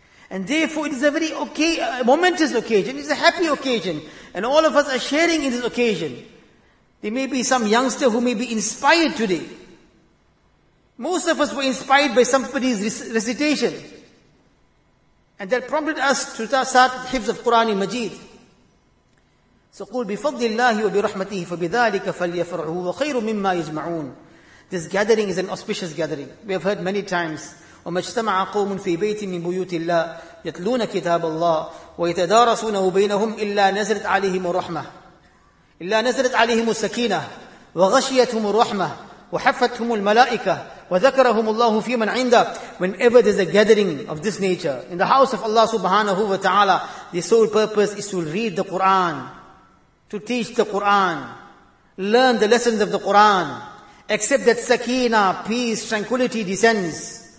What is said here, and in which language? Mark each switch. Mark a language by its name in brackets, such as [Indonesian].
[English] And therefore, it is a very momentous occasion. It is a happy occasion. And all of us are sharing in this occasion. There may be some youngster who may be inspired today. Most of us were inspired by somebody's recitation. And that prompted us to start the Hifz of Qur'an Majeed. [Arabic] So, قُلْ بِفَضْلِ اللَّهِ وَبِرَحْمَتِهِ فَبِذَٰلِكَ فَلْيَفْرَحُوا وَخَيْرٌ مِمَّا يَجْمَعُونَ [English] This gathering is an auspicious gathering. We have heard many times. [Arabic] وَمَجْتَمَعَ قَوْمٌ فِي بَيْتٍ مِّن بُيُوتِ اللَّهِ يَتْلُونَ كِتَابَ اللَّهِ وَيَتَدَارَسُونَهُ بَيْنَهُمْ إِلَّا نَزَلَتْ عَلَيْهِمُ الرَّحْمَةُ إِلَّا نَزَلَتْ عَلَيْهِمُ السَّكِينَةُ وَغَشِيَتْهُمُ الرَّحْمَةُ وَحَفَّتْهُمُ الْمَلَائِكَةُ وَذَكَرَهُمُ اللَّهُ فِي مَنْ عِنْدَهُ [English] Whenever there's a gathering of this nature, in the house of Allah subhanahu wa ta'ala, the sole purpose is to read the Qur'an, to teach the Qur'an, learn the lessons of the Qur'an, except that sakina, peace, tranquility descends.